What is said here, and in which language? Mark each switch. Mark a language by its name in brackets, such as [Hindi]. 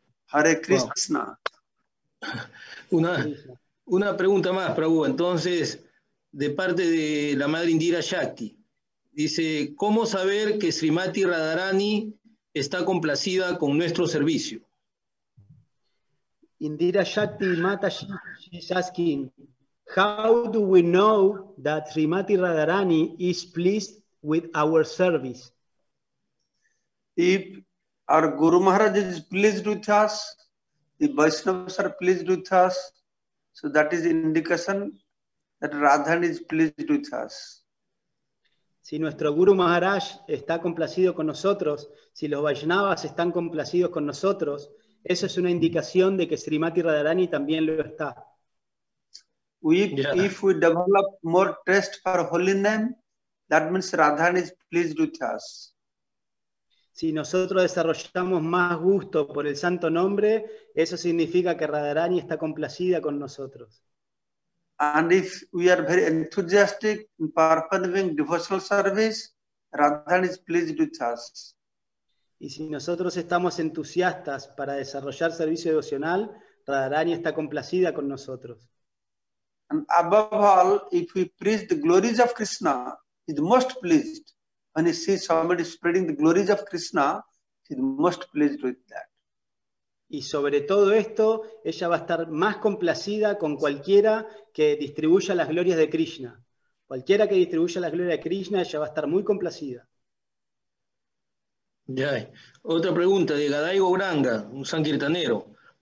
[Sanskrit] Hare Krishna. [Spanish] Wow. Una pregunta más, Prabhu. Entonces, de parte de la madre Indira Shakti, dice, ¿cómo saber que Srimati Radharani está complacida con nuestro servicio? [English] Indira Shakti Mataji, she's asking, how do we know that Srimati Radharani is pleased with our service? If our Guru Maharaj is pleased with us, the Vaishnavas are pleased with us, so that is indication that Radharani is pleased with us. [Spanish] Si nuestro Guru Maharaj está complacido con nosotros, si los Vaishnavas están complacidos con nosotros, eso es una indicación de que Srimati Radharani también lo está. [English] If we develop more taste for holy name, that means Radharani is pleased with us. [Spanish] Si nosotros desarrollamos más gusto por el santo nombre, eso significa que Radharani está complacida con nosotros. [English] And if we are very enthusiastic in performing devotional service, Radharani is pleased with us. [Spanish] Y si nosotros estamos entusiastas para desarrollar servicio devocional, Radharani está complacida con nosotros. [English] And above all, if we preach the glories of Krishna, he's most pleased. When he sees somebody spreading the glories of Krishna, he's most pleased with that. [Spanish] Y sobre todo esto, ella va a estar más complacida con cualquiera que distribuya las glorias de Krishna. Cualquiera que distribuya las glorias de Krishna, ella va a estar muy complacida. Ya. Otra pregunta de Gadai Gauranga, un sankirtanero.